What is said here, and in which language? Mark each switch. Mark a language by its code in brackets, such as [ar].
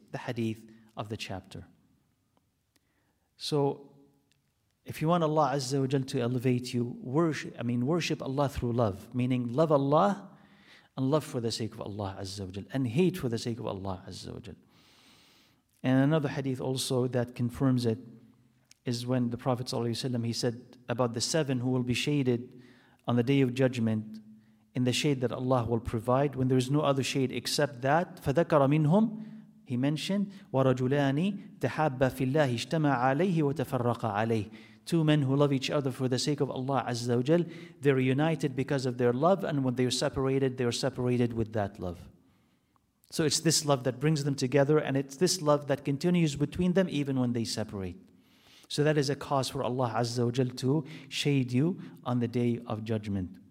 [en] The hadith of the chapter. So, if you want Allah Azza wa Jal to elevate you, worship Allah through love, meaning love Allah and love for the sake of Allah Azza wa Jal, and hate for the sake of Allah Azza wa Jal. And another hadith also that confirms it is when the Prophet Sallallahu Alaihi Wasallam, he said about the seven who will be shaded on the Day of Judgment in the shade that Allah will provide, when there is no other shade except that, [ar] فَذَكَرَ مِنْهُمْ. [en] He mentioned, [ar] وَرَجُلَانِ تَحَابَّ فِي اللَّهِ اجْتَمَعَ عَلَيْهِ وَتَفَرَّقَ عَلَيْهِ. [en] Two men who love each other for the sake of Allah Azza wa Jal, they're united because of their love, and when they're separated, they're separated with that love. So it's this love that brings them together, and it's this love that continues between them even when they separate. So that is a cause for Allah Azza wa Jal to shade you on the Day of Judgment.